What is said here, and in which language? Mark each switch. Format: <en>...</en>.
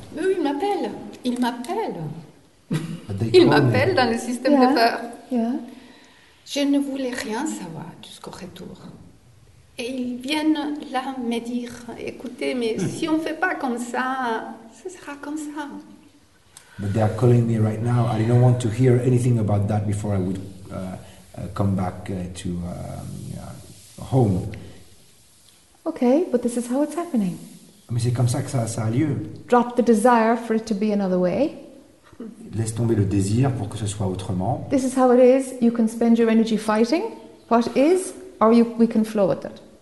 <fr>Mais oui, il m'appelle dans le système de peur.</fr> <en>Yeah.</en> <fr>Je ne voulais rien savoir jusqu'au retour. Et ils viennent là me dire, écoutez, mais si on ne fait pas comme ça, ce sera comme ça.</fr> <en>But they are calling me right now. I don't want to hear anything about that before I would come back to... home. Okay, but this is how it's happening.</en> <fr>Mais c'est comme ça que ça a lieu.</fr> <en>Drop the desire for it to be another way.</en> <fr>Laisse tomber le désir pour que ce soit autrement.</fr> <en>This is how it is. You can spend your energy fighting what is, or we can flow with it.</en>